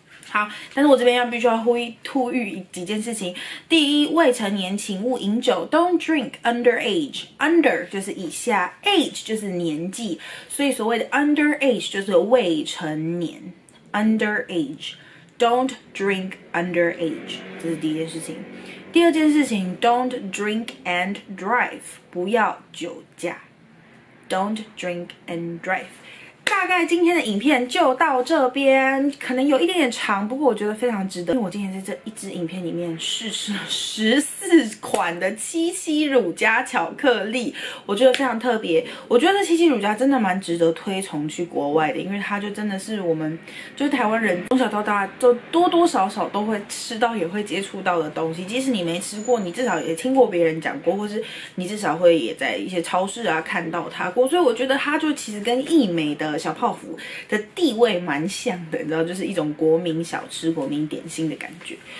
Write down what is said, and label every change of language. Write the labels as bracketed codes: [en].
[zh] 好，但是我这边要必须要呼吁几件事情。第一，未成年请勿饮酒 ， [en] Don't drink underage。 [zh] Under 就是以下 ，age 就是年纪，所以所谓的 underage 就是未成年 ，underage [en] don't drink underage. [zh] 这是第一件事情。第二件事情 [en] don't drink and drive. [zh] 不要酒驾。 [en] Don't drink and drive. [zh] 大概今天的影片就到这边，可能有一点点长，不过我觉得非常值得，因为我今天在这一支影片里面试吃了14款的七夕乳加巧克力，我觉得非常特别。我觉得七夕乳加真的蛮值得推崇去国外的，因为它就真的是我们就是台湾人从小到大就多多少少都会吃到也会接触到的东西，即使你没吃过，你至少也听过别人讲过，或是你至少会也在一些超市啊看到它过，所以我觉得它就其实跟益美的小泡芙的地位蛮像的，你知道，就是一种国民小吃、国民点心的感觉。